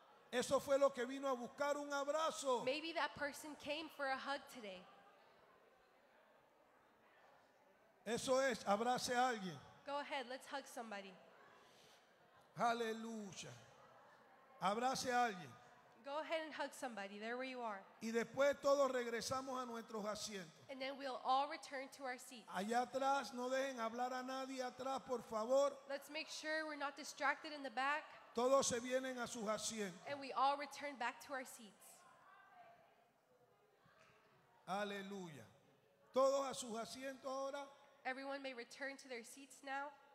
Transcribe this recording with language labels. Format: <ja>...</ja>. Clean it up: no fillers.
<es>Eso fue lo que vino a buscar un abrazo.</es> <en>Maybe that person came for a hug today.</en> <es>Eso es, abrace a alguien.</es> <en>Go ahead, let's hug somebody.</en> <es>Aleluya. Abrace a alguien.</es> <en>Go ahead and hug somebody. There where you are.</en> <es>Y después todos regresamos a nuestros asientos.</es> <en>And then we'll all return to our seats.</en> <es>Allá atrás, no dejen hablar a nadie atrás, por favor.</es> <en>Let's make sure we're not distracted in the back.</en> <es>Todos se vienen a sus asientos.</es> <en>And we all return back to our seats.</en> <es>Aleluya. Todos a sus asientos ahora.</es> <en>Everyone may return to their seats now.</en>